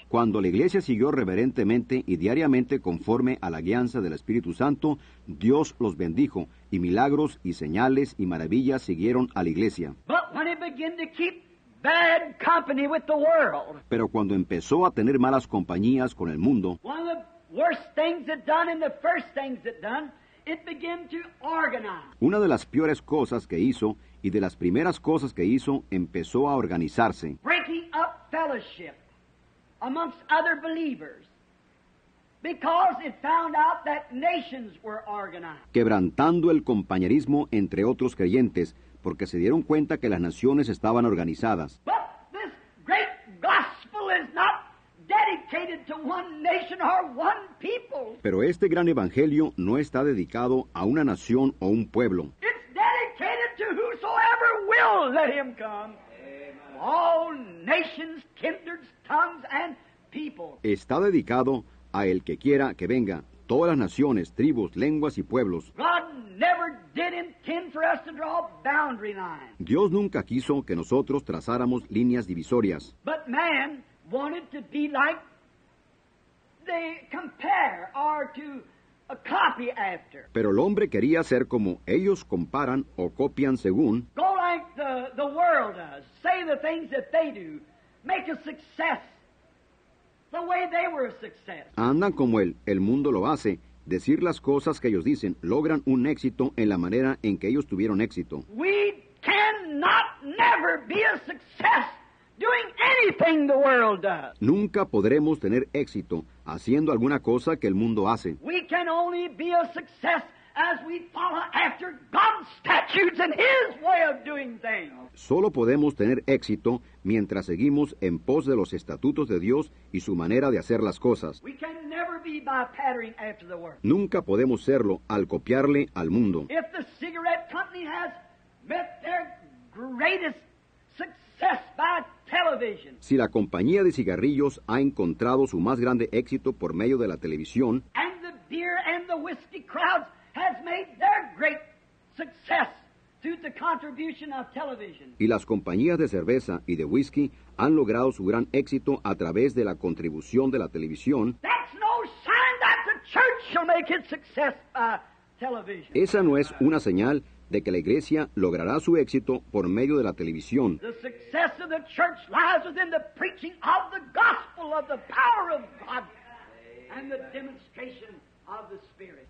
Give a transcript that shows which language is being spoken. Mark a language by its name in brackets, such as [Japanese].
[Spanish] Cuando la iglesia siguió reverentemente y diariamente conforme a la guianza del Espíritu Santo, Dios los bendijo, y milagros y señales y maravillas siguieron a la iglesia. [English] But when it began to keep bad company with the world, [Spanish] pero cuando empezó a tener malas compañías con el mundo, [English] one of the worst things it done and the first things it done, it began to organize. [Spanish] Una de las peores cosas que hizo y de las primeras cosas que hizo, empezó a organizarse. [English] Breaking up fellowship amongst other believers because it found out that nations were organized. [Spanish] Quebrantando el compañerismo entre otros creyentes porque se dieron cuenta que las naciones estaban organizadas. [English] But this great gospel is not dedicated to one nation or one people. [Spanish] Pero este gran evangelio no está dedicado a una nación o un pueblo. [English] It's dedicated to whosoever will let him come. Amen. All nations, kindreds, tongues, and people. [Spanish] Está dedicado a el que quiera que venga, todas las naciones, tribus, lenguas y pueblos. [English] God never did intend for us to draw boundary lines. [Spanish] Dios nunca quiso que nosotros trazáramos líneas divisorias. [English] But man wanted to be like they compare or to a copy after. [Spanish] Pero el hombre quería ser como ellos comparan o copian según. [English] Go like the world does. Say the things that they do. Make a success the way they were a success. [Spanish] Andan como el mundo lo hace. Decir las cosas que ellos dicen. Logran un éxito en la manera en que ellos tuvieron éxito. [English] We cannot never be a success doing anything the world does. [Spanish] Nunca podremos tener éxito haciendo alguna cosa que el mundo hace. [English] We can only be a success as we follow after God's statutes and His way of doing things. [Spanish] Solo podemos tener éxito mientras seguimos en pos de los estatutos de Dios y su manera de hacer las cosas. [English] We can never be by patterning after the world. [Spanish] Nunca podemos serlo al copiarle al mundo. [English] If the cigarette company has met their greatest success by television, [Spanish] si la compañía de cigarrillos ha encontrado su más grande éxito por medio de la televisión, [English] and the beer and the whiskey crowds has made their great success through the contribution of television, [Spanish] y las compañías de cerveza y de whisky han logrado su gran éxito a través de la contribución de la televisión, [English] that's no sign that the church shall make its success by television. [Spanish] Esa no es una señal de que la iglesia logrará su éxito por medio de la televisión. [English] The success of the church lies within the preaching of the gospel of the power of God and the demonstration of the Spirit.